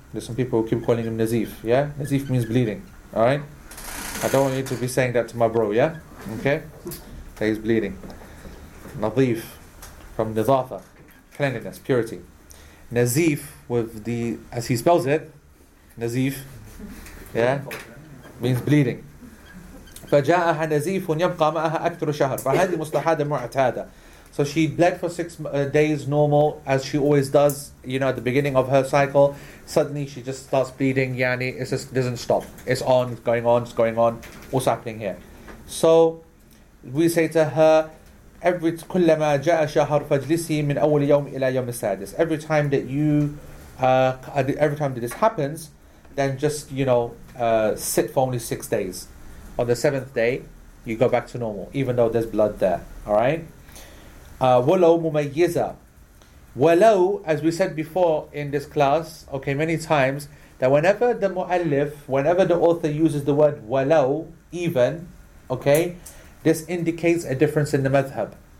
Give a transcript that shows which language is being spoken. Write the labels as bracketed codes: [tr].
[en] There's some people who keep calling him Nazif. Yeah, Nazif means bleeding. All right, I don't want you to be saying that to my bro. Yeah, okay, that he's bleeding. Nazif from Nizatha, cleanliness, purity. Nazif with the as he spells it, Nazif. Yeah, means bleeding. [ar] فجاءها نزيف يبقى معها أكثر شهر فهذه مستحادة معتادة. [en] So she bled for 6 days normal as she always does, you know, at the beginning of her cycle. Suddenly she just starts bleeding. يعني it just doesn't stop. It's on, it's going on, it's going on. What's happening here? So we say to her, every [ar] كلما جاء شهر فجلسي من أول يوم إلى يوم السادس. [en] Every time that you, every time that this happens, then just, you know, sit for only 6 days. On the seventh day, you go back to normal, even though there's blood there. All right. [ar] Walau mumayyiza. [en] Walau, as we said before in this class, okay, many times, that whenever the mu'allif, whenever the author uses the word walau, even, okay, this indicates a difference in the madhab.